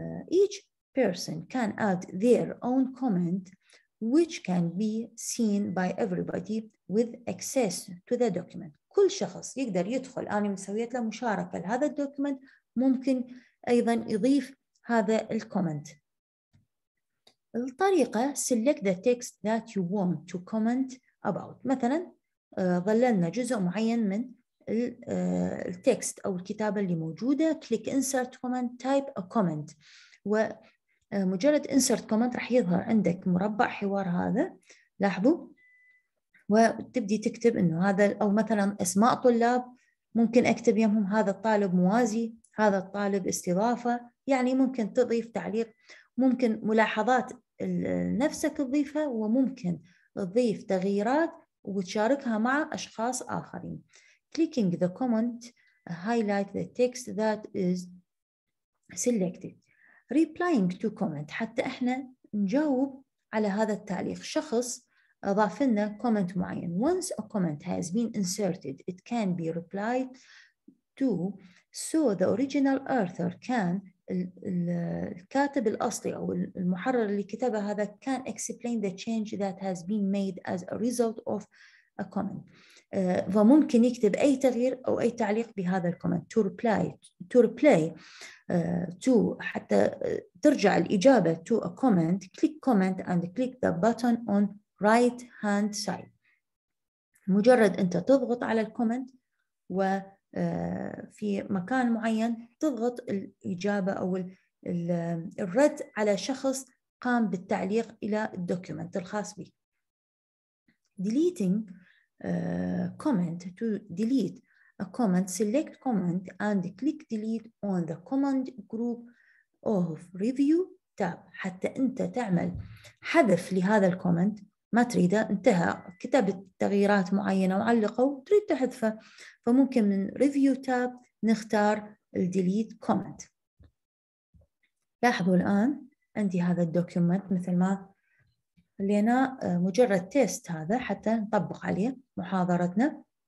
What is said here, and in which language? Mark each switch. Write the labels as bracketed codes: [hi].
[en] Each person can add their own comment which can be seen by everybody with access to the document. [ar] كل شخص يقدر يدخل، أنا مسويت له مشاركة لهذا الدوكيومنت، ممكن أيضا يضيف هذا الكومنت. [en] الطريقة select the text that you want to comment about. [ar] مثلا ظللنا جزء معين من التكست أو الكتابة اللي موجودة، [en] click insert comment, type a comment. [ar] ومجرد insert comment راح يظهر عندك مربع حوار هذا، لاحظوا، وتبدي تكتب إنه هذا، أو مثلا أسماء طلاب، ممكن أكتب يمهم هذا الطالب موازي، هذا الطالب استضافة، يعني ممكن تضيف تعليق، ممكن ملاحظات نفسك تضيفها، وممكن تضيف تغييرات وتشاركها مع أشخاص آخرين. [en] Clicking the comment highlight the text that is selected. Replying to comment [ar] حتى إحنا نجاوب على هذا التعليق، شخص أضاف لنا comment معين. [en] Once a comment has been inserted it can be replied to so the original author can [ar] الكاتب الأصلي أو المحرر اللي كتبه هذا [en] can explain the change that has been made as a result of a comment. [ar] وممكن يكتب أي تغيير أو أي تعليق بهذا الكومنت. [en] To reply to [ar] حتى ترجع الإجابة [en] to a comment, click comment and click the button on right hand side. [ar] مجرد أنت تضغط على الكومنت و في مكان معين تضغط الإجابة أو الرد على شخص قام بالتعليق إلى الدوكيومنت الخاص به. [en] Deleting comment to delete a comment select comment and click delete on the comment group of review tab. [ar] حتى أنت تعمل حذف لهذا الكومنت، ما تريده، انتهى، كتبت تغييرات معينة وعلقه وتريد تحذفه، فممكن من review tab نختار delete comment. لاحظوا الآن عندي هذا الدوكيومنت مثل ما لنا مجرد تيست هذا حتى نطبق عليه محاضرتنا.